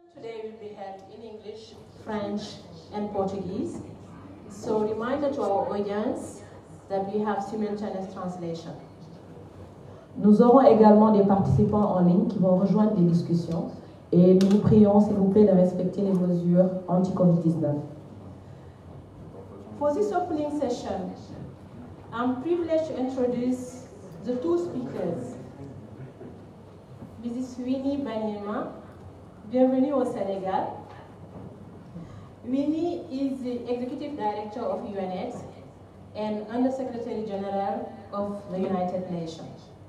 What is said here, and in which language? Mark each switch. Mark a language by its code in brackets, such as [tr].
[en] Today we'll be held in English, French, and Portuguese. So reminder to our audience that we have simultaneous translation. [fr] Nous aurons également des participants en ligne qui vont rejoindre des discussions. Et nous vous prions, s'il vous plaît, de respecter les mesures anti-COVID-19. [en] For this opening session, I'm privileged to introduce the two speakers. This is Winnie Banyema. [fr] Bienvenue au Sénégal. [en] Winnie is the Executive Director of UNAIDS and Undersecretary General of the United Nations.